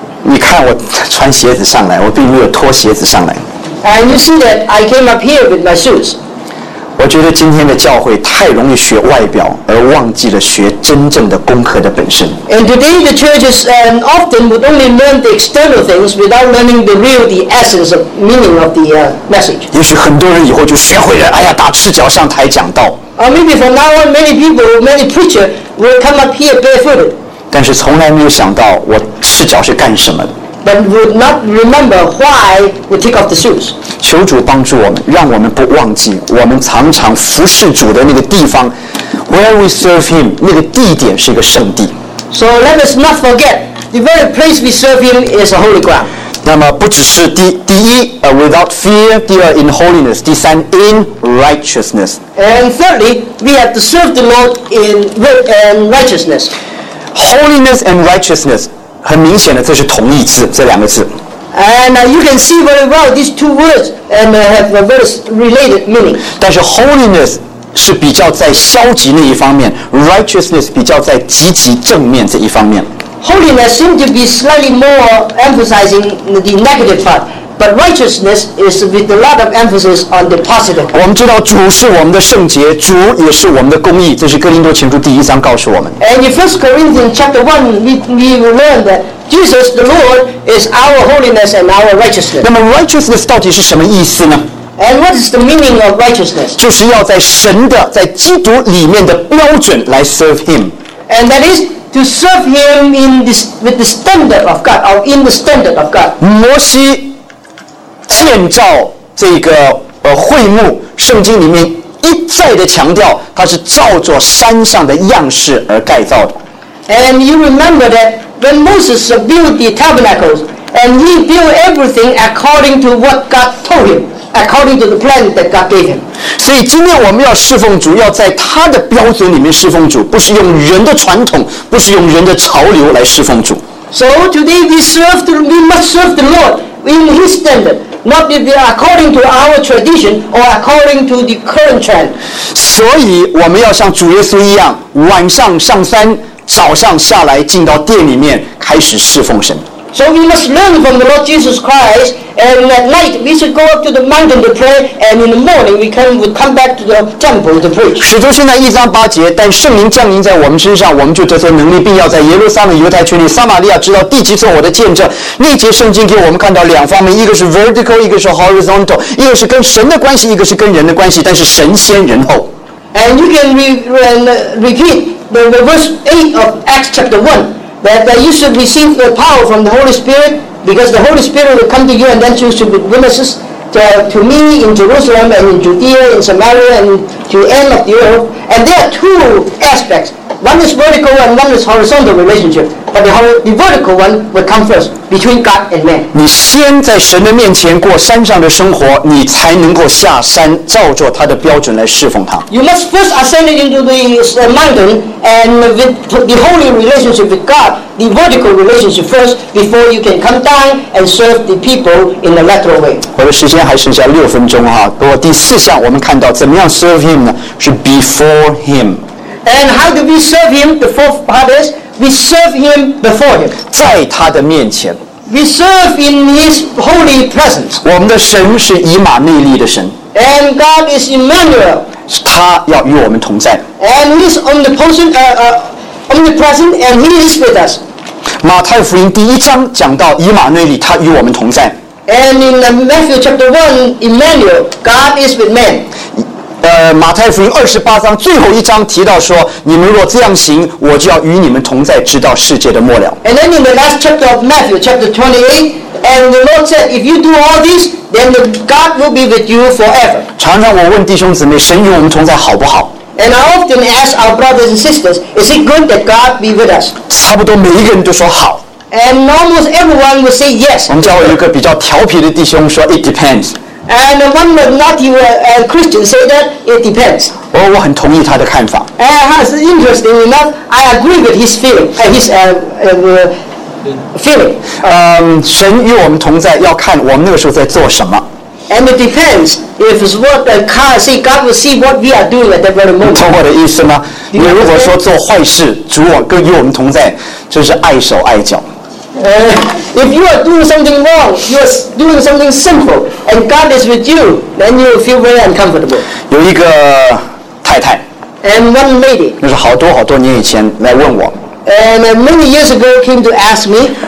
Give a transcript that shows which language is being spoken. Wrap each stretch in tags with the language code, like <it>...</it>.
<zh>你看我穿鞋子上来，我并没有脱鞋子上来。</zh> <en>And you see that I came up here with my shoes.</en> <zh>我觉得今天的教会太容易学外表，而忘记了学真正的功课的本身。</zh> <en>And today the churches often would only learn the external things without learning the real, the essence of meaning of the message.</en> <zh>也许很多人以后就学会了，哎呀，打赤脚上台讲道。</zh> <en>Or maybe from now on, many people, many preacher will come up here barefooted.</en> <zh>但是从来没有想到我赤脚是干什么的。</zh> <en>But would not remember why we take off the shoes.</en> <zh>求主帮助我们，让我们不忘记我们常常服侍主的那个地方 ，</zh> <en>where we serve Him，</en> <zh>那个地点是一个圣地。</zh> <en>So let us not forget the very place we serve Him is a holy ground.</en> <zh>那么不只是第一 ，</zh> <en>without fear;</en> <zh>第二 ，</zh> <en>in holiness;</en> <zh>第三 ，</zh> <en>in righteousness. And thirdly, we have to serve the Lord in word and righteousness. Holiness and righteousness.</en> <zh>很明显的，这是同义字，这两个字。</zh> <en>And you can see very well these two words and have a very related meaning.</en> <zh>但是 holiness 是比较在消极那一方面 ，righteousness 比较在积极正面这一方面。</zh> <en>Holiness seems to be slightly more emphasizing the negative part, but righteousness is with a lot of emphasis on the positive.</en> <zh>我们知道主是我们的圣洁，主也是我们的公义，这是哥林多前书第一章告诉我们。</zh> <en>And in 1 Corinthians chapter 1, we will learn that Jesus the Lord is our holiness and our righteousness.</en> <zh>那么 righteousness 到底是什么意思呢？</zh> <en>And what is the meaning of righteousness?</en> <zh>就是要在神的在基督里面的标准来</zh> <en>serve Him. And that is. To serve him in this with the standard of God or in the standard of God.</en> <zh>摩西建造这个会幕，圣经里面一再的强调，他是照着山上的样式而盖造的。</zh> <en>And you remember that when Moses built the tabernacles, and he built everything according to what God told him, according to the plan that God gave him.</en> <zh>所以今天我们要侍奉主，要在他的标准里面侍奉主，不是用人的传统，不是用人的潮流来侍奉主。</zh> <en>So today we must serve the Lord in His standard, not according to our tradition or according to the current trend.</en> <zh>所以我们要像主耶稣一样，晚上上山，早上下来，进到殿里面开始侍奉神。</zh> <en>So we must learn from the Lord Jesus Christ, and at night we should go up to the mountain to pray, and in the morning we come back to the temple to preach.</en> <zh>使徒行传一章八节，但圣灵降临在我们身上，我们就得着能力，并要在耶路撒冷、犹太全地、撒玛利亚，直到地极，做我的见证。那节圣经给我们看到两方面，一个是 vertical， 一个是 horizontal， 一个是跟神的关系，一个是跟人的关系。但是神先人后。</zh> <en>And you can repeat the verse 8 of Acts chapter 1. That you should receive the power from the Holy Spirit, because the Holy Spirit will come to you, and then you should be witnesses to me in Jerusalem and in Judea and Samaria and to the end of the earth. And there are two aspects. One is vertical and one is horizontal relationship. But the vertical one will come first between God and man.</en> <zh>你先在神的面前过山上的生活，你才能够下山照着他的标准来侍奉他。</zh> <en>You must first ascend into the mountain and with the holy relationship with God, the vertical relationship first before you can come down and serve the people in a lateral way.</en> <zh>我的时间还剩下六分钟哈，不过第四项我们看到怎么样</zh> <en>serve Him</en> <zh>呢？</zh> <en>是 before Him。 And how do we serve him? The fourth part is we serve him before him.</en> <zh>在他的面前。</zh> <en>We serve in his holy presence.</en> <zh>我们的神是以马内利的神。</zh> <en>And God is Emmanuel.</en> <zh>他要与我们同在。</zh> <en>And he is omnipresent and he is with us.</en> <zh>马太福音第一章讲到以马内利，他与我们同在。</zh> <en>And in Matthew chapter 1, Emmanuel, God is with man.</en> <zh>马太福音二十八章最后一章提到说，你们若这样行，我就要与你们同在，直到世界的末了。</zh> <en>And then in the last chapter of Matthew, chapter 28, and the Lord said, if you do all this, then the God will be with you forever.</en> <zh>常常我问弟兄姊妹，神与我们同在好不好？</zh> <en>And I often ask our brothers and sisters, is it good that God be with us?</en> <zh>差不多每一个人都说好。</zh> <en>And almost everyone will say yes.</en> <zh>我们教会有一个比较调皮的弟兄说</zh> <en>it depends. And one of not you a Christian say that it depends.</en> <zh>我很同意他的看法。</zh> <en>And that's interesting enough, I agree with his feeling. His feeling.</en> <zh>神与我们同在，要看我们那个时候在做什么。</zh> <en>And it depends if it's what the car see. God will see what we are doing at that very moment.</en> <zh>懂我的意思吗？你如果说做坏事，主我跟与我们同在，就是碍手碍脚。</zh> <en>If you are doing something wrong, you are doing something sinful, and God is with you, then you will feel very uncomfortable.</en> <zh>有一个太太。</zh> <en>And one lady.</en> <zh>那是好多好多年以前来问我。</zh> <en>And many years ago came to ask me.</en>